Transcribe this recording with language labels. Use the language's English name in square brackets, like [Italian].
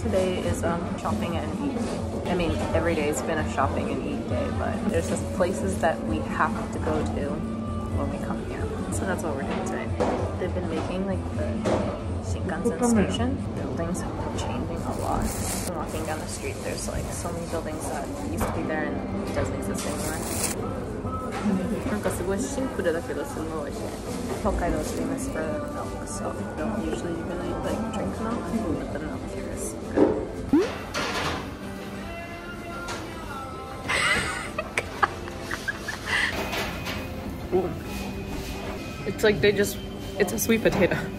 [English] Today is shopping and eat. I mean, every day has been a shopping and eat day, but there's just places that we have to go to when we come here. So that's what we're doing today. They've been making like the Shinkansen station. Buildings have been changing a lot. Walking down the street, there's like so many buildings that used to be there and doesn't exist anymore. [Japanese] なんかすごいシンプルだけどすごい美味しい。 [English] 北海道で famous for the milk, so I don't usually really like drink milk, but the milk here is good. It's like they just, it's a sweet potato.